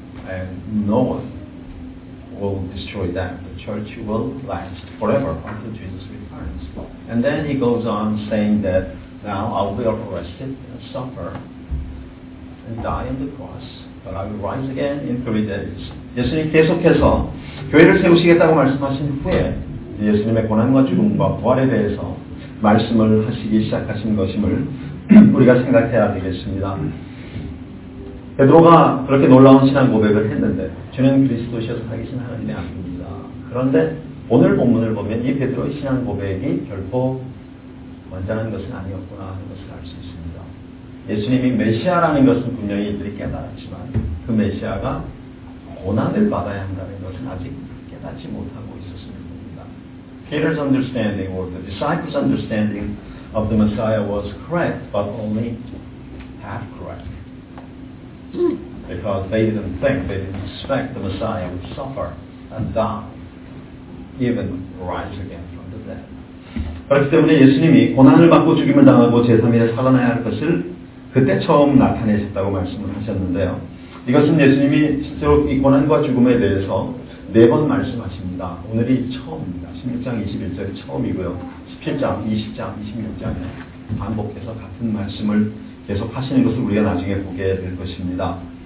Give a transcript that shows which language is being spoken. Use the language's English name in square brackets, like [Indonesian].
[English] And no one will destroy that. The church will last forever until Jesus returns. And then he goes on saying that now I will be arrested and suffer and die on the cross. But I will rise again in 3 days. [Korean] 예수님 계속해서 교회를 세우시겠다고 말씀하신 후에 예수님의 고난과 죽음과 부활에 대해서 말씀을 하시기 시작하신 것임을 우리가 생각해야 되겠습니다. 베드로가 그렇게 놀라운 신앙 고백을 했는데 주는 그리스도시여서 살아계신 하나님의 아들입니다. 그런데 오늘 본문을 보면 이 베드로의 신앙 고백이 결코 완전한 것은 아니었구나 하는 것을 알 수 있습니다. 예수님이 메시아라는 것은 분명히 이들이 깨달았지만 그 메시아가 고난을 받아야 한다는 것은 아직 깨닫지 못하고 있었습니다. [English] Peter's understanding or the disciples' understanding of the Messiah was correct, but only half correct. Because they didn't think, they didn't expect the Messiah would suffer and die, even rise again from the dead. [Korean] 그렇기 때문에 예수님이 고난을 받고 죽임을 당하고 제3일에 살아나야 할 것을 그때 처음 나타내셨다고 말씀을 하셨는데요. 이것은 예수님이 실제로 이 고난과 죽음에 대해서 네 번 말씀하십니다. 오늘이 처음입니다. 16장 21절이 처음이고요. 17장, 20장, 26장에 반복해서 같은 말씀을 계속 하시는 것을 우리가 나중에 보게 될 것입니다.